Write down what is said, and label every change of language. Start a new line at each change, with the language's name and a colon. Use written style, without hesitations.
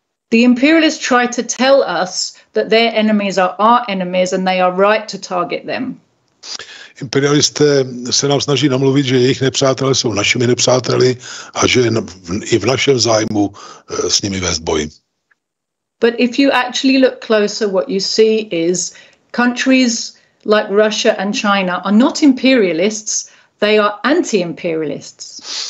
English: The imperialists try to tell us that their enemies are our enemies and they are right to target them.
Czech: Imperialisté se nám snaží namluvit, že jejich nepřátelé jsou našimi nepřáteli a že je i v našem zájmu s nimi vést boj.
English: But if you actually look closer, what you see is countries like Russia and China are not imperialists, they are anti-imperialists.